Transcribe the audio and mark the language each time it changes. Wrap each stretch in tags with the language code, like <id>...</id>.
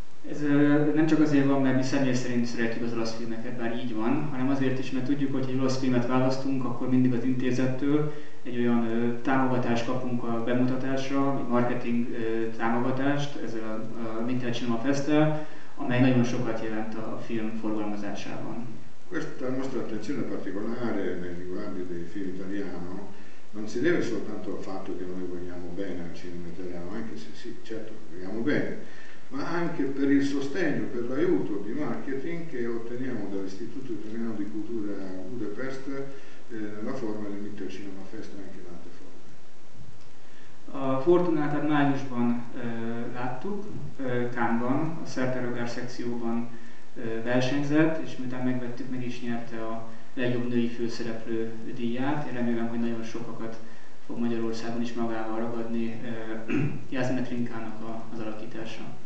<hu>Ez nem csak azért van, mert mi személy szerint szeretjük az olasz filmeket, bár így van, hanem azért is, mert tudjuk, hogy ha egy olasz filmet választunk, akkor mindig az intézettől egy olyan támogatást kapunk a bemutatásra, marketing támogatást, ez a Vintage Cinema Festtel, amely nagyon sokat jelent a film forgalmazásában.</hu> <it>Questa nostra attenzione particolare nei riguardi dei film italiano non si deve soltanto al fatto che noi vogliamo bene al cinema italiano, anche se sì, certo, vogliamo bene, ma anche per il sostegno, per l'aiuto di marketing che otteniamo dall'Istituto Italiano di Cultura Budapest nella forma del Vintage Cinema Fest anche in altre forme.</it> <hu>A Fortunát májusban láttuk, Cannes-ban, a Szerterogár szekcióban versenyzett, és miután megvettük, meg is nyerte a legjobb női főszereplő díját. Én remélem, hogy nagyon sokakat fog Magyarországon is magával ragadni Jasmine Trinkának az alakítása.</hu>